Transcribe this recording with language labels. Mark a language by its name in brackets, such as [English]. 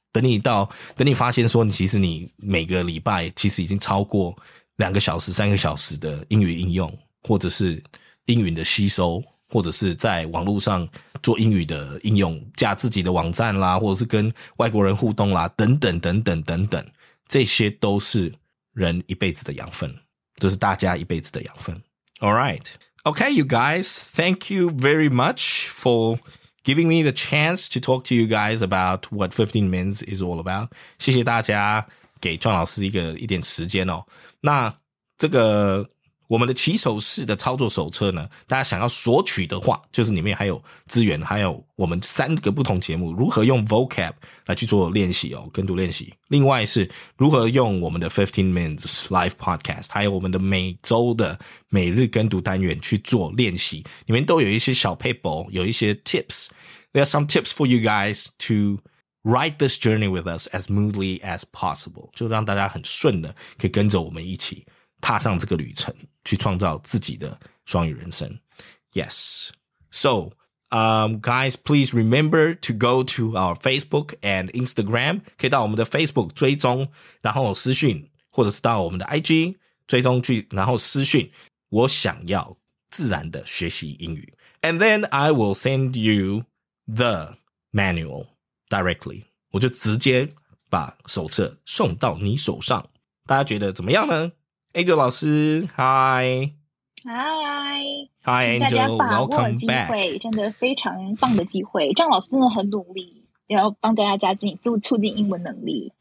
[Chinese] 等你发现说你其实你每个礼拜其实已经超过两个小时三个小时的英语应用，或者是英语的吸收，或者是在网络上做英语的应用，加自己的网站啦，或者是跟外国人互动啦，等等等等等等，这些都是人一辈子的养分，就是大家一辈子的养分。 [English] Alright, okay you guys, thank you very much for giving me the chance to talk to you guys about what 15 Mins is all about. [Chinese] 谢谢大家给 John 老师一点时间哦。那这个我们的起手式的操作手册呢，大家想要索取的话，就是里面还有资源，还有我们三个不同节目如何用 vocab 来去做练习哦，跟读练习。另外是如何用我们的 15 Mins Live Podcast， 还有我们的每周的每日跟读单元去做练习，里面都有一些小 paper， 有一些 tips。 [English] There are some tips for you guys to write this journey with us as smoothly as possible， [Chinese] 就让大家很顺的可以跟着我们一起踏上这个旅程，去创造自己的双语人生。 [English] Yes. So, guys, please remember to go to our Facebook and Instagram. [Chinese] 可以到我们的 Facebook 追踪，然后私讯，或者是到我们的 IG 追踪去，然后私讯，我想要自然的学习英语。 [English] And then I will send you the manual directly. [Chinese] 我就直接把手册送到你手上。大家觉得怎么样呢？Angel 老师 ，Hi， [English] Hi， Hi Angel， Welcome back， [Chinese] 真的非常棒的机会。张老师真的很努力，然后帮大家促进英文能力。